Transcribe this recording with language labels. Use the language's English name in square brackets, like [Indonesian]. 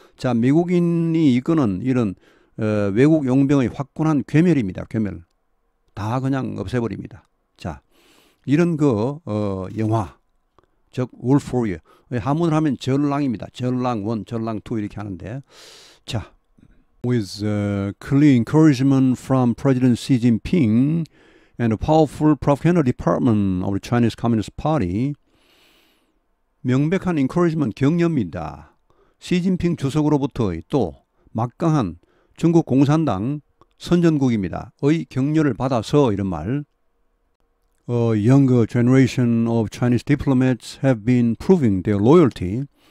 [Korean] 자, 미국인이 이끄는 이런 외국 용병의 화끈한 괴멸입니다. 괴멸. 다 그냥 없애버립니다. 자, 이런 그 영화, 즉 Wolf Warrior. 한문을 하면 전랑입니다. 전랑 1, 전랑 2 이렇게 하는데. [English] 자, with clear encouragement from President Xi Jinping and a powerful propaganda department of the Chinese Communist Party, [Korean] 명백한 encouragement, 격려입니다. 시진핑 주석으로부터의 또 막강한 중국 공산당 선전국입니다.의 격려를 받아서 이런 말. [English] A younger generation of Chinese diplomats have been proving their loyalty.